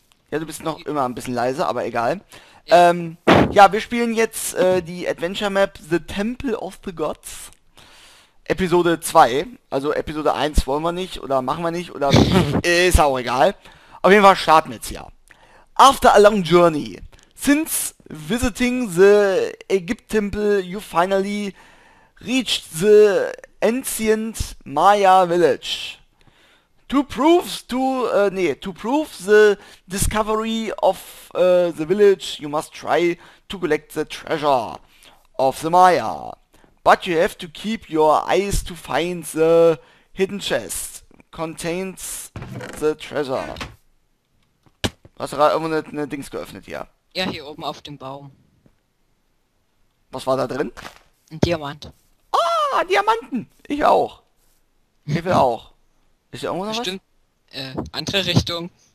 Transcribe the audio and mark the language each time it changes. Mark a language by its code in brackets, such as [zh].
[de] Ja, du bist noch immer ein bisschen leise, aber egal. Ja, wir spielen jetzt die Adventure Map The Temple of the Gods. Episode 2. Also Episode 1 wollen wir nicht oder machen wir nicht oder ist auch egal. Auf jeden Fall starten wir jetzt hier. [en] After a long journey. Since visiting the Egypt Temple, you finally reached the ancient Maya Village. To prove the discovery of the village, you must try to collect the treasure of the Maya. But you have to keep your eyes to find the hidden chest contains the treasure. [de] Hast du gerade irgendwo ne Dings geöffnet hier? Ja, hier oben auf dem Baum. Was war da drin? Ein Diamant. Ah, Diamanten! Ich auch. Ich will auch. Ist hier irgendwo noch was? Bestimmt, andere Richtung.